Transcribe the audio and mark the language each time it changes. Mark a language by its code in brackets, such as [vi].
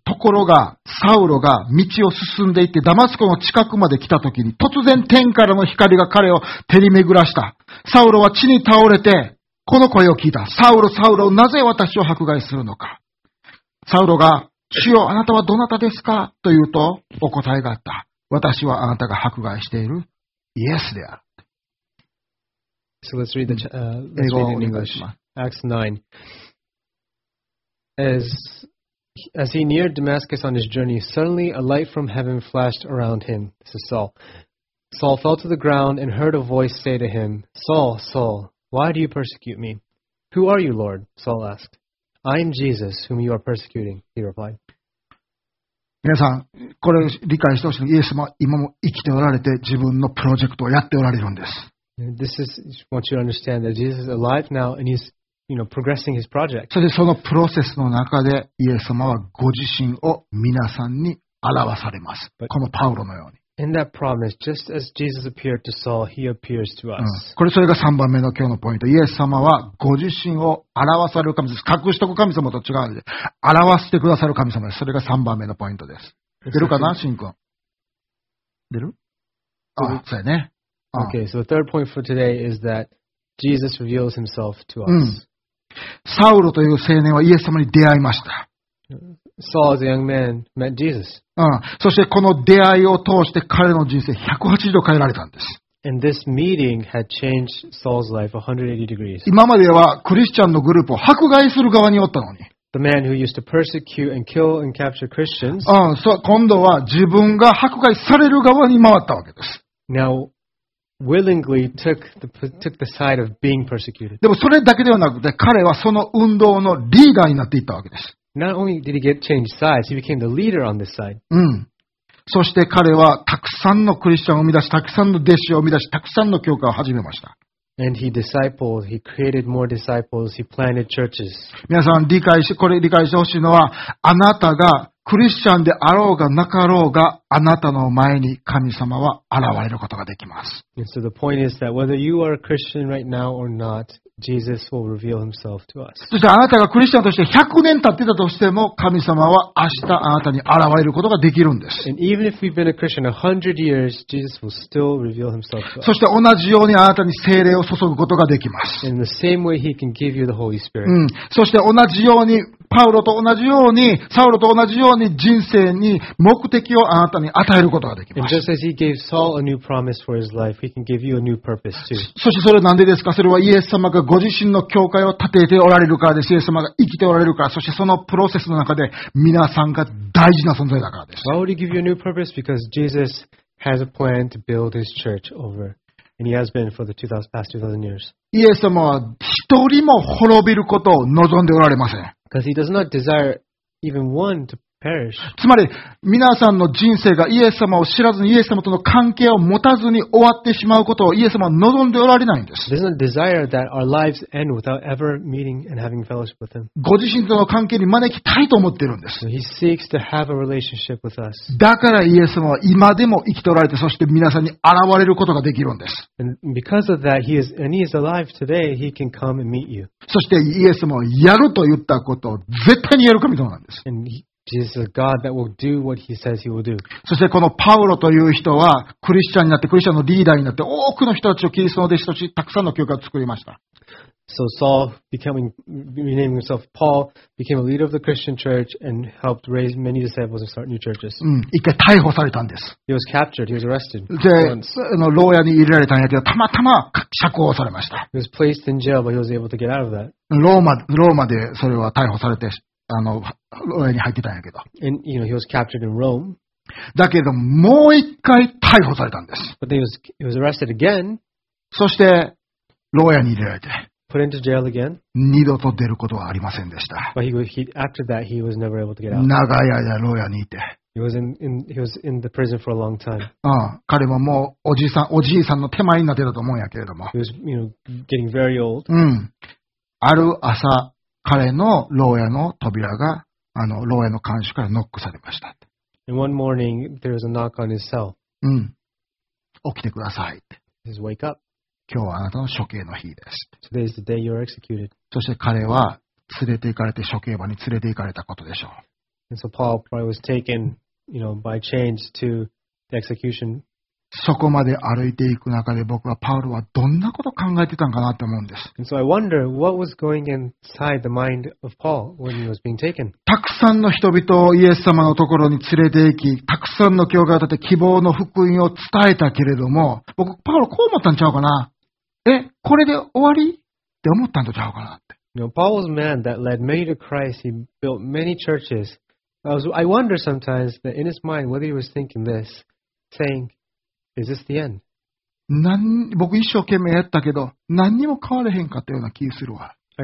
[ja] ところが、サウロが道を進んでいって、ダマスコの近くまで来た時に、突然天からの光が彼を照り巡らした。サウロは地に倒れて、この声を聞いた。サウロ、サウロ、なぜ私を迫害するのか。サウロが、主よ、あなたはどなたですかと言うと、お答えがあった。私はあなたが迫害している、イエスである。 [en] So let's read the, let's read in English. Acts 9. As he neared Damascus on his journey, suddenly a light from heaven flashed around him. This is Saul. Saul fell to the ground and heard a voice say to him, Saul, Saul, why do you persecute me? Who are you, Lord? Saul asked. I am Jesus, whom you are persecuting, he replied. [ja] 皆さん、これ理解してほしいのは、イエス様は今も生きておられて自分のプロジェクトをやっておられるんです。 [en] This is, I want you to understand that Jesus is alive now and he's,You know, progressing his project. [ja] そしてそのプロセスの中でイエス様はご自身を皆さんに表されます。But、このパウロのように。 [en] In that promise, just as Jesus appeared to Saul, he appears to us.、うん、 [ja] これそれが3番目の今日のポイント。イエス様はご自身を表される神様です。隠しとく神様と違うので、表してくださる神様です。それが3番目のポイントです。出るかな、シン君。出る？あ、そうやね。 [en] Okay, so the third point for today is that Jesus reveals himself to us.、 [ja] うんサウロという青年はイエス様に出会いました。 [en] Saul's young man met Jesus. [ja] そしてこの出会いを通して彼の人生180度変えられたんです。 [en] And this meeting had changed Saul's life 180 degrees. [ja] 今まではクリスチャンのグループを迫害する側におったのに。 [en] The man who used to persecute and kill and capture Christians. [ja] 今度は自分が迫害される側に回ったわけです。 [en] Now, willingly took the side of being persecuted. [ja] でもそれだけではなくて、彼はその運動のリーダーになっていったわけです。 [en] Not only did he get changed sides, he became the leader on this side. [ja] そして彼はたくさんのクリスチャンを生み出し、たくさんの弟子を生み出し、たくさんの教会を始めました。 [en] And he discipled, he created more disciples, he planted churches. [ja] 皆さん理解し、これ理解してほしいのは、あなたがクリスチャンであろうがなかろうが、あなたの前に神様は現れることができます。 [en] And so the point is that whether you are a Christian right now or not, Jesus will reveal himself to us. [ja] そしてあなたがクリスチャンとして100年経ってたとしても、神様は明日あなたに現れることができるんです。 [en] And even if we've been a Christian 100 years, Jesus will still reveal himself to us. [ja] そして同じようにあなたに聖霊を注ぐことができます。 [en] In the same way he can give you the Holy Spirit. [ja] そして同じように、パウロと同じように、サウロと同じように人生に目的をあなたに与えることができます。 [en] And just as he gave Saul a new promise for his life, he can give you a new purpose too. [ja] そしてそれは何でですか？それはイエス様がご自身の教会を建てておられるからです。イエス様が生きておられるから、そしてそのプロセスの中で皆さんが大事な存在だからです。 [en] Why would he give you a new purpose? Because Jesus has a plan to build his church over. And he has been for the 2,000 years. [ja] イエス様は一人も滅びることを望んでおられません。 [en] Because he does not desire even one to perish. [ja] つまり皆さんの人生がイエス様を知らずにイエス様との関係を持たずに終わってしまうことをイエス様は望んでおられないんです。 [en] He does not desire that our lives end without ever meeting and having fellowship with him. [ja] ご自身との関係に招きたいと思っているんです。 [en] He seeks to have a relationship with us. [ja] だからイエス様は今でも生きておられて、そして皆さんに現れることができるんです。 [en] And because of that, he is alive today. He can come and meet you. [ja] そしてイエス様はやると言ったことを絶対にやる神様なんです。 [en] Jesus is a God that will do what he says he will do. [ja] そしてこのパウロという人はクリスチャンになって、クリスチャンのリーダーになって、多くの人たちをキリストの弟子としてたくさんの教会を作りました。 [en] So Saul, renaming himself Paul, became a leader of the Christian church and helped raise many disciples and start new churches. [ja] 一回逮捕されたんです。 [en] He was captured. He was arrested. [ja] で、牢屋に入れられたんやけど、たまたま釈放されました。 [en] He was placed in jail, but he was able to get out of that. [ja] ローマでそれは逮捕されて、牢屋に入ってたんやけど。 [en] And, you know, he was captured in Rome. [ja] だけど、もう一回逮捕されたんです。 [en] But then he was arrested again. [ja] そして、牢屋に入れられて。 [en] Put into jail again. [ja] 二度と出ることはありませんでした。 [en] But after that, he was never able to get out. [ja] 長い間、牢屋にいて。 [en] He was in the prison for a long time. [ja] 彼ももう、おじいさんの手前になってたと思うんやけれども。 [en] He was, you know, getting very old. [ja] ある朝、彼の牢屋の扉が牢屋の監視からノックされました。 [en] And one morning, there was a knock on his cell. [ja] 起きてください。 [en] He says, wake up. [ja] 今日はあなたの処刑の日です。 [en] Today is the day you're executed. [ja] そして彼は連れて行かれて処刑場に連れて行かれたことでしょう。 [en] And so Paul probably was taken, you know, by chains to the execution. [ja] そこまで歩いていく中で僕はパウロはどんなことを考えてたのかなと思うんです。 [en] And so I wonder what was going inside the mind of Paul when he was being taken. [ja] たくさんの人々をイエス様のところに連れて行き、たくさんの教会を立て希望の福音を伝えたけれども、僕、パウロこう思ったんちゃうかな？え、これで終わり？って思ったんとちゃうかなって。 [en] You know, Paul was a man that led many to Christ. He built many churches. I wonder sometimes that in his mind whether he was thinking this, saying,Is this the end? [ja] 僕一生懸命やったけど何にも変われへんかったような気がするわ。